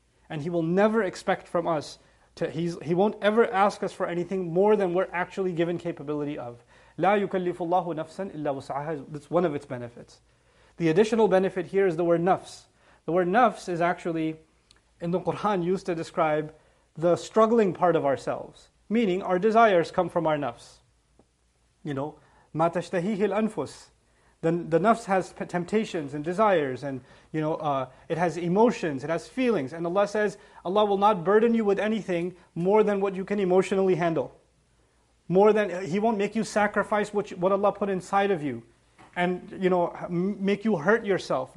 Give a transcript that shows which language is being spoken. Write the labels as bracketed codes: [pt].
[en] And He will never expect from us, He won't ever ask us for anything more than we're actually given capability of. [ar] لَا يُكَلِّفُ اللَّهُ نَفْسًا إِلَّا وُسْعَهَا. [en] That's one of its benefits. The additional benefit here is the word nafs. The word nafs is actually, in the Qur'an, used to describe the struggling part of ourselves. Meaning, our desires come from our nafs. You know, [ar] مَا تَشْتَهِيهِ الْأَنْفُسِ. [en] The nafs has temptations and desires, and you know, it has emotions, it has feelings. And Allah says, Allah will not burden you with anything more than what you can emotionally handle. More than, He won't make you sacrifice what Allah put inside of you and, you know, make you hurt yourself.